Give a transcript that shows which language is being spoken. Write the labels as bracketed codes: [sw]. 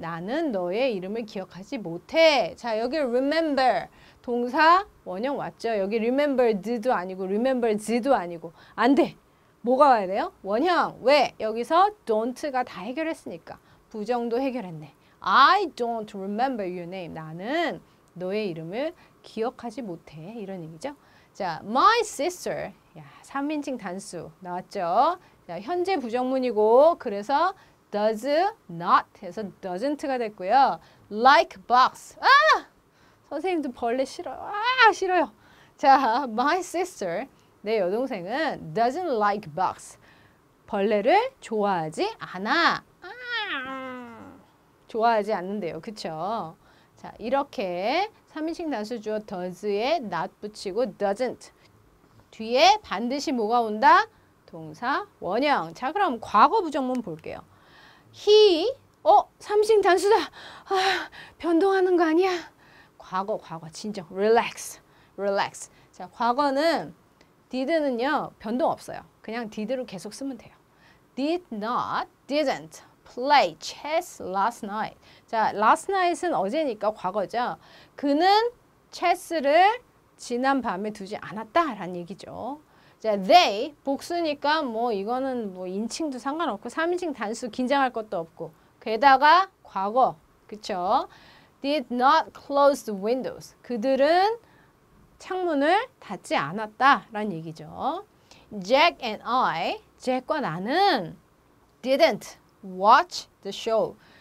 [ko] 나는 너의 이름을 기억하지 못해. 자, 여기 remember 동사 원형 왔죠? 여기 remembered도 아니고 remembers도 아니고 안 돼! 뭐가 와야 돼요? 원형! 왜? 여기서 don't가 다 해결했으니까 부정도 해결했네. [en] I don't remember your name. [ko] 나는 너의 이름을 기억하지 못해. 이런 얘기죠. 자, my sister. 야, 3인칭 단수 나왔죠? 자, 현재 부정문이고 그래서 does not 해서 doesn't가 됐고요. [en] like box. [ko] 아! 선생님도 벌레 싫어요. 아, 싫어요. [en] 자, my sister, [ko] 내 여동생은 [en] doesn't like bugs. [ko] 벌레를 좋아하지 않아. 아, 좋아하지 않는데요. 그쵸? 자, 이렇게 3인칭 단수 주어 does에 not 붙이고 doesn't. 뒤에 반드시 뭐가 온다? 동사 원형. 자, 그럼 과거 부정문 볼게요. He, 어? 3인칭 단수다. 아, 변동하는 거 아니야? 과거 진정 relax. 자, 과거는 did는요 변동 없어요. 그냥 did로 계속 쓰면 돼요. [en] did not didn't play chess last night. [ko] 자, last night은 어제니까 과거죠. 그는 체스를 지난 밤에 두지 않았다라는 얘기죠. 자, they 복수니까 뭐 이거는 뭐 인칭도 상관없고 3인칭 단수 긴장할 것도 없고 게다가 과거 그쵸? [en] Did not close the windows. [ko] 그들은 창문을 닫지 않았다 라는 얘기죠. [en] Jack and I, [ko] Jack과 나는 [en] didn't watch the show.